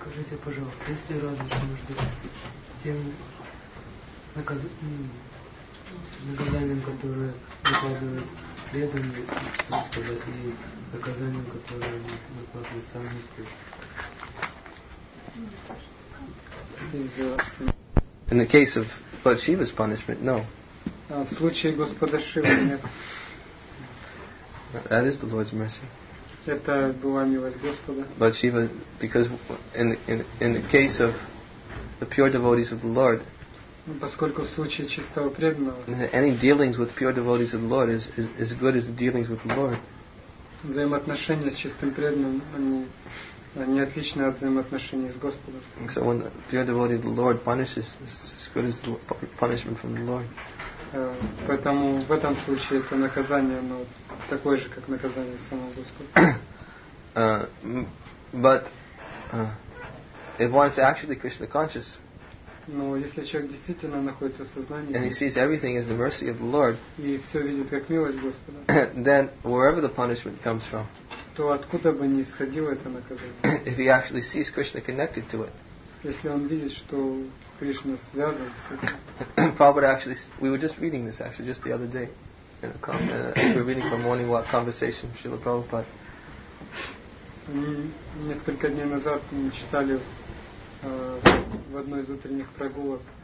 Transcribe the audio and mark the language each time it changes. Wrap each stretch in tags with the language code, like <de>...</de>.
<ru>скажите, пожалуйста, есть ли разница между тем наказанием, которое выкладывает преданный, так сказать, и наказанием, которое выкладывает сам Господь?</ru> <en>In the case of Lord Shiva's punishment, no.</en> <ru>В случае Господа Шивы нет.</ru> <en>That is the Lord's mercy.</en> <ru>Это была милость Господа.</ru> <en>Lord Shiva, because in the case of the pure devotees of the Lord,</en> <ru>поскольку в случае чистого преданного,</ru> <en>any dealings with pure devotees of the Lord is as good as the dealings with the Lord.</en> <ru>Взаимоотношения с чистым преданным они отличны от взаимоотношений с Господом.</ru> <en>So when the pure devotee of the Lord punishes, it's as good as the punishment from the Lord.</en> <ru>Поэтому в этом случае это наказание, но такое же, как наказание самого Господа.</ru> <en>If one is actually Krishna conscious,</en> <ru>но если человек действительно находится в сознании,</ru> <en>and he sees everything as the mercy of the Lord,</en> <ru>и все видит как милость Господа,</ru> <en>then wherever the punishment comes from,</en> <ru>то откуда бы ни исходило это наказание,</ru> <en>if he actually sees Krishna connected to it.</en> <ru>Если он видит, что Кришна связан с этим.</ru> <en>Prabhupada actually, we were just reading this actually just the other day. We were reading from Morning Walk conversation with Srila Prabhupada.</en> <ru>Несколько дней назад мы читали в одной из утренних прогулок.</ru>